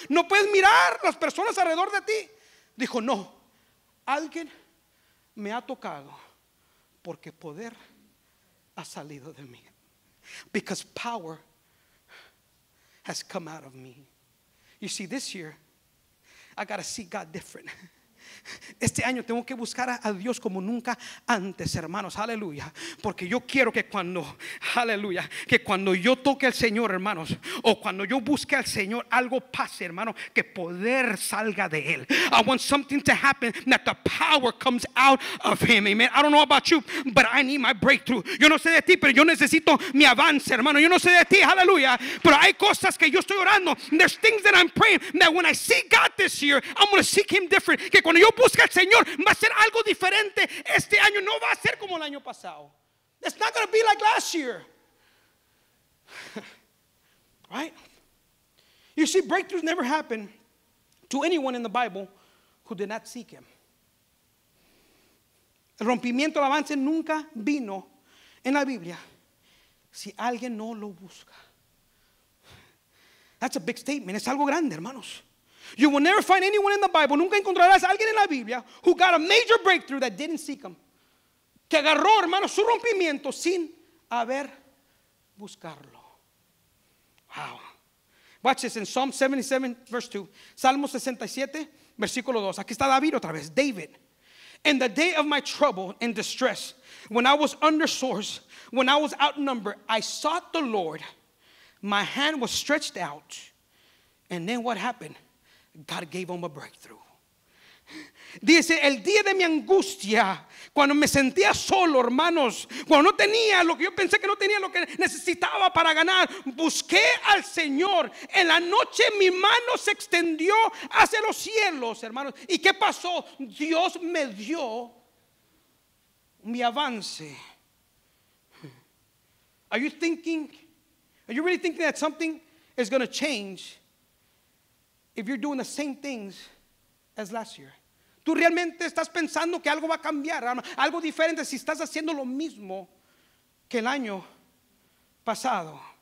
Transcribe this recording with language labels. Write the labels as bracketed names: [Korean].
[Spanish] ¿No puedes mirar las personas alrededor de ti? Dijo, no. Alguien me ha tocado porque poder ha salido de mí. [English] Because power has come out of me. You see, this year, I got to see God different. [Spanish] Este año tengo que buscar a Dios como nunca antes, hermanos. Aleluya. Porque yo quiero que cuando, aleluya, que cuando yo toque al Señor, hermanos, o cuando yo busque al Señor, algo pase, hermano, que poder salga de él. [English] I want something to happen that the power comes out of him. Amen. I don't know about you, but I need my breakthrough. [Spanish] Yo no sé de ti, pero yo necesito mi avance, hermano. Yo no sé de ti, aleluya, pero hay cosas que yo estoy orando. [English] There's things that I'm praying that when I see God this year, I'm going to seek him different. [Spanish] Que cuando yo busque al Señor, va a ser algo diferente este año. No va a ser como el año pasado. [English] It's not going to be like last year. Right? You see, breakthroughs never happen to anyone in the Bible who did not seek him. [Spanish] El rompimiento, el avance nunca vino en la Biblia si alguien no lo busca. [English] That's a big statement. [Spanish] Es algo grande, hermanos. [English] You will never find anyone in the Bible. [Spanish] Nunca encontrarás a alguien en la Biblia [English] who got a major breakthrough that didn't seek him. [Spanish] Que agarró, hermanos, su rompimiento sin haber buscarlo. [English] Wow. Watch this in Psalm 77, verse 2. [Spanish] Salmo 67, versículo 2. Aquí está David otra vez. David. [English] In the day of my trouble and distress, when I was under source, when I was outnumbered, I sought the Lord. My hand was stretched out. And then what happened? God gave him a breakthrough. [Spanish] Dice, el día de mi angustia, cuando me sentía solo, hermanos, cuando no tenía lo que yo pensé que no tenía, lo que necesitaba para ganar, busqué al Señor. En la noche mi mano se extendió hacia los cielos, hermanos. ¿Y qué pasó? Dios me dio mi avance. [English] Are you thinking? Are you really thinking that something is going to change if you're doing the same things as last year? [Spanish] ¿Tú realmente estás pensando que algo va a cambiar, algo diferente, si estás haciendo lo mismo que el año pasado?